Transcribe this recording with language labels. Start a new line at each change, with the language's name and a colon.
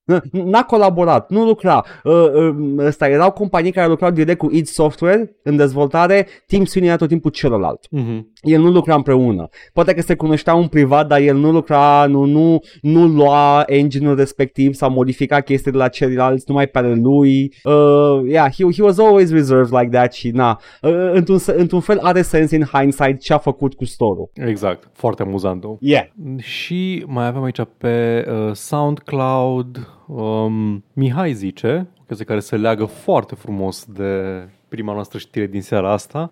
Romanian: N-a colaborat, nu lucra. Ăsta erau companii care lucrau direct cu id Software în dezvoltare. Tim Sweeney era tot timpul celălalt. El nu lucra împreună. Poate că se cunoștea un privat, dar el nu lucra, nu lua engine-ul respectiv sau modifica chestii de la celălalt numai pe lui.
English: He was always reserved like that
Romanian: și na. Într-un fel are sens
English: in hindsight
Romanian: ce a făcut cu store-ul. Exact, foarte amuzant.
English: Yeah.
Romanian: Și mai avem aici pe SoundCloud. Mihai zice, o chestie care se leagă foarte frumos de prima noastră știre din seara asta.